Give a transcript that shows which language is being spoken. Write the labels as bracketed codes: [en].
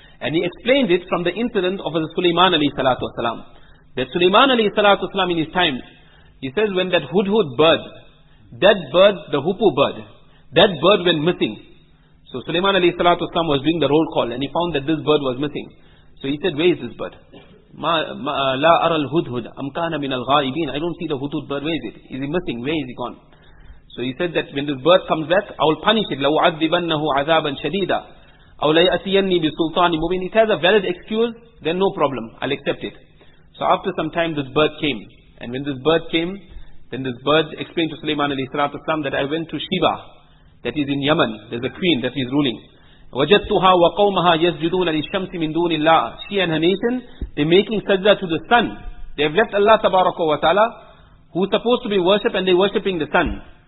[en] And he explained it from the incident of Sulaiman alayhi salatu wasalam. That Sulaiman alayhi salatu wasalam in his time, he says when that Hudhud bird, that bird, the Hupu bird, that bird went missing. So Sulaiman alayhi salatu wasalam was doing the roll call and he found that this bird was missing. So he said, where is this bird? [ar] لا أرى الهدهد أم كان من الغائبين. [en] I don't see the hudhud bird. Where is it? Is he missing? Where is he gone? So he said that when this bird comes back, I will punish it. [ar] لو عذبنه عذابا شديدا أو لا يأتيني بسلطان مبين. [en] It has a valid excuse, then no problem, I'll accept it. So after some time, this bird came, and when this bird came, then this bird explained to Sulaiman alayhi salatu wasalam that I went to Sheba, that is in Yemen. There's a queen that is ruling. [ar] وَجَدْتُهَا وَقَوْمَهَا يَسْجُدُونَ لِلشَّمْسِ مِنْ دُونِ اللَّهِ. [en] She and her nation, they're making sajda to the sun. They have left Allah tabaraka wa ta'ala, who's supposed to be worshipped, and they're worshipping the sun.